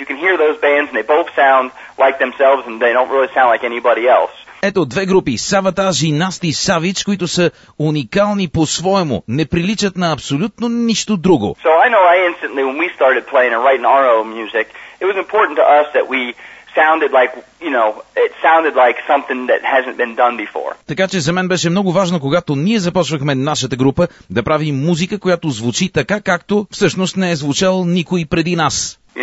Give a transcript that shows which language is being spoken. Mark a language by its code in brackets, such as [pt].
[en] You can hear those bands and they both sound like themselves and they don't really sound like anybody else. [bg] Ето две групи, Sabotage и Nasty Savage, които са уникални по-своему, не приличат на абсолютно нищо друго. [en] So I know I instantly when we started playing and writing our own music, it was important to us that we sounded like, it sounded like something that hasn't been done before. [bg] Така че за мен беше много важно, когато ние започвахме нашата група, да правим музика, която звучи така, както всъщност не е звучал никой преди нас.